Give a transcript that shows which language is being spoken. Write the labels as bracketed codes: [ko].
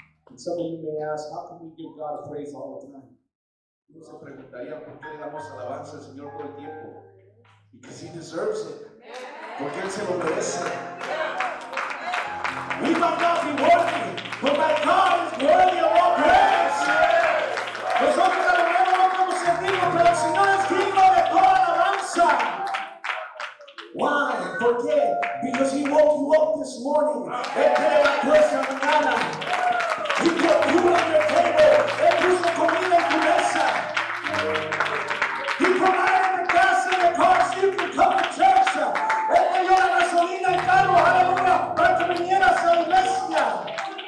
[en] And some of you may ask, how can we give God praise all the time? [es] No se preguntaría por qué le damos alabanza al Señor todo el tiempo. [en] Because he deserves it. [es] Porque él se lo merece. [en] We might not be worthy, but my God is worthy of all praise. [es] Nosotros a lo mejor no estamos servidos, pero el Señor es digno de toda alabanza. [en] Why? [es] ¿Por qué? [en] Because he woke you up this morning. [es] Él te levantó esta mañana. [en] He put you on your table. [es] Él puso comida en tu mesa. [en] He provided the gas in the car so you could come to church. [es] Él te dio la gasolina y carro, aleluya, para que vinieras a la iglesia.